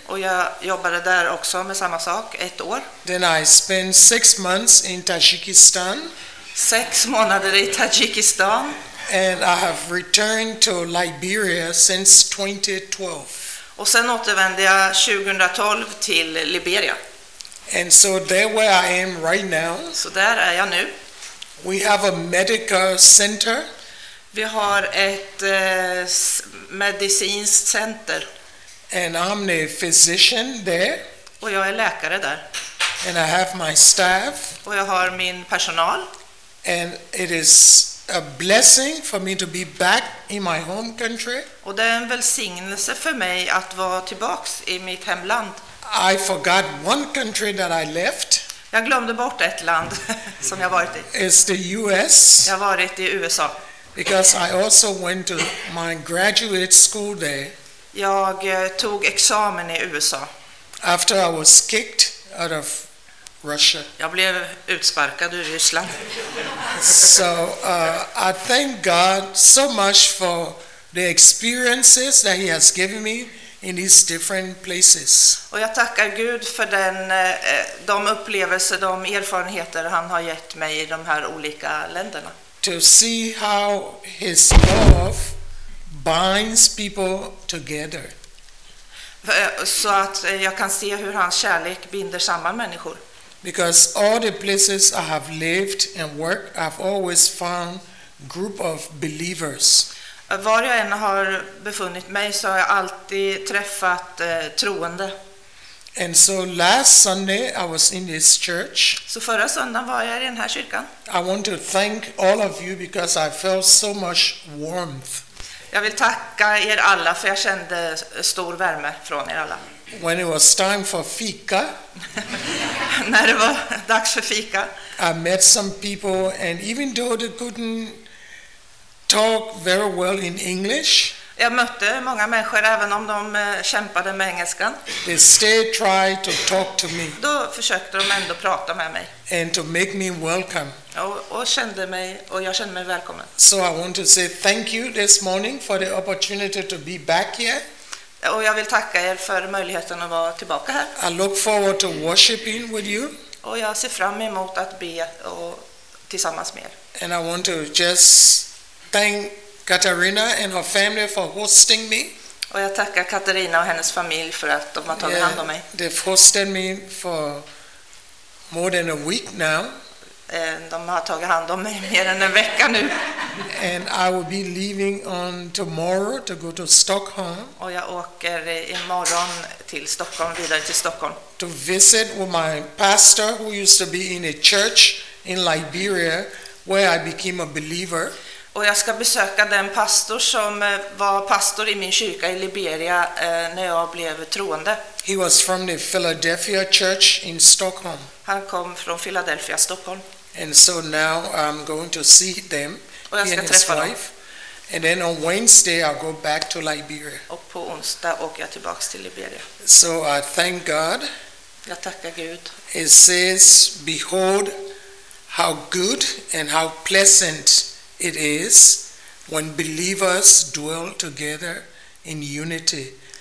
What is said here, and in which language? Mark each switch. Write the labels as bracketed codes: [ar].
[sv] Och jag jobbade där också med samma sak, ett år. [en] Then I spent 6 months in Tajikistan. [sv] 6 månader i Tajikistan. [en] And I have returned to Liberia since 2012. [sv] Och sen återvände jag 2012 till Liberia. [en] And so there where I am right now. [sv] Så där är jag nu. [en] We have a medical center. [sv] Vi har ett medicinskt center. [en] And I'm a physician there. [sv] Och jag är läkare där. [en] And I have my staff. [sv] Och jag har min personal. [en] And it is a blessing for me to be back in my home country. [sv] Och det är en välsignelse för mig att vara tillbaks i mitt hemland. [en] I forgot one country that I left. [sv] Jag glömde bort ett land som jag varit i. [en] It's the US. [sv] Jag har varit i USA. [en] Because I also went to my graduate school there. [sv] Jag tog examen i USA. [en] After I was kicked out of Russia. [sv] Jag blev utsparkad ur Ryssland. [en] So I thank God so much for the experiences that he has given me in these different places. [sv] Och jag tackar Gud för de upplevelser, de erfarenheter han har gett mig i de här olika länderna. [en] To see how his love binds people together. [sv] Så att jag kan se hur hans kärlek binder samman människor. [en] Because all the places I have lived and worked, I've always found group of believers. [sv] Var jag än har befunnit mig så har jag alltid träffat troende. [en] And so last Sunday I was in this church. [sv] Så förra söndagen var jag i den här kyrkan. [en] I want to thank all of you because I felt so much warmth. [sv] Jag vill tacka er alla för jag kände stor värme från er alla. [en] When it was time for fika. [sv] När det var dags för fika. [en] I met some people and even though they couldn't talk very well in English. [sv] Jag mötte många människor även om de kämpade med engelskan. [en] They still tried to talk to me. [sv] Då försökte de ändå prata med mig. [en] And to make me welcome. [sv] Och kände mig och jag kände mig välkommen. [en] So I want to say thank you this morning for the opportunity to be back here. [sv] Och jag vill tacka er för möjligheten att vara tillbaka här. [en] I look forward to worshiping with you. [sv] Och jag ser fram emot att be och tillsammans med er. [en] And I want to just thank Katarina and her family for hosting me. [sv] Och jag tackar Katarina och hennes familj för att de har tagit hand om mig. [en] They've hosted me for more than a week now. [sv] De har tagit hand om mig mer än en vecka nu. [en] And I will be leaving on tomorrow to go to Stockholm. [sv] Och jag åker imorgon till Stockholm, vidare till Stockholm. [en] To visit with my pastor who used to be in a church in Liberia where I became a believer. [sv] Och jag ska besöka den pastor som var pastor i min kyrka i Liberia när jag blev troende. [en] He was from the Philadelphia church in Stockholm. [sv] Han kom från Philadelphia, Stockholm. [en] And so now I'm going to see them. [sv] Och jag ska träffa dem. [en] And then on Wednesday I'll go back to Liberia. [sv] Och på onsdag åker jag tillbaka till Liberia. [en] So I thank God. [sv] Jag tackar Gud. [en] It says, behold how good and how pleasant it is when believers dwell together in unity.